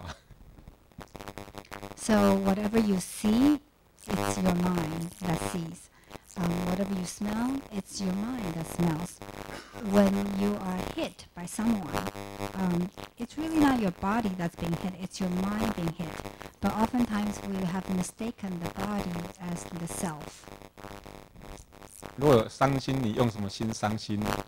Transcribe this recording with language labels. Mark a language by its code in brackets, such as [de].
[zh] 被打是用什么？用心感觉到被打。你不要讲说把那个身体当成我，可是我们没办法。 [en] So whatever you see, it's your mind that sees. Whatever you smell, it's your mind that smells. When you are hit by someone, it's really not your body that's being hit, it's your mind being hit. But oftentimes we have mistaken the body as the self. [zh] 如果有伤心，你用什么心伤心？